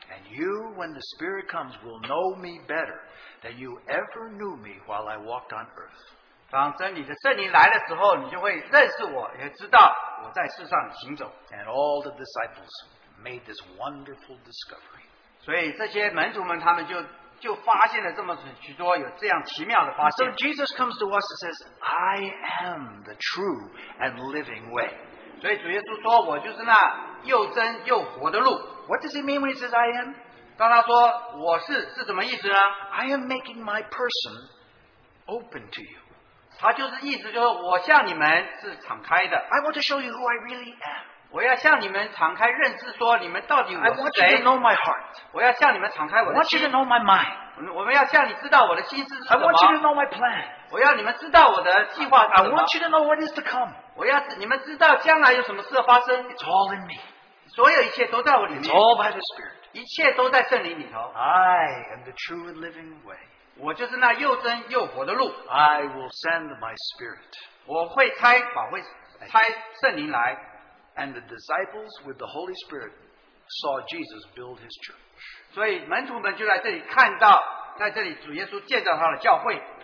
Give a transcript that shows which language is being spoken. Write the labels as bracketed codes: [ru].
[en] And you, when the Spirit comes, will know me better than you ever knew me while I walked on earth. [zh] 当真理的圣灵来的时候,你就会认识我,也知道我在世上行走。 [en] And all the disciples made this wonderful discovery. [zh] 所以这些门徒们他们就发现了这么许多,有这样奇妙的发现。 [en] So Jesus comes to us and says, I am the true and living way. [zh] 所以主耶稣说,我就是那又真又活的路。 [en] What does he mean when he says, I am? [zh] 当他说,我是,是什么意思呢? [en] I am making my person open to you. [zh] 他就是意思就是我向你们是敞开的。 [en] I want to show you who I really am. [zh] 我要向你们敞开认识说你们到底我是谁。 [en] I want you to know my heart. [zh] 我要向你们敞开我的心。 [en] I want you to know my mind. [zh] 我们要向你知道我的心思是什么。 [en] I want you to know my plan. [zh] 我要你们知道我的计划是什么。 [en] I want you to know what is to come. [zh] 我要你们知道将来有什么事发生。 [en] It's all in me. [zh] 所有一切都在我里面。 [en] It's all by the Spirit. [zh] 一切都在圣灵里头。 [en] I am the true and living way. [zh] 我就是那又真又活的路。 [en] I will send my Spirit. [zh] 我会差圣灵来。 [en] And the disciples with the Holy Spirit saw Jesus build his church. [zh] 所以门徒们就在这里看到，在这里主耶稣建造他的教会。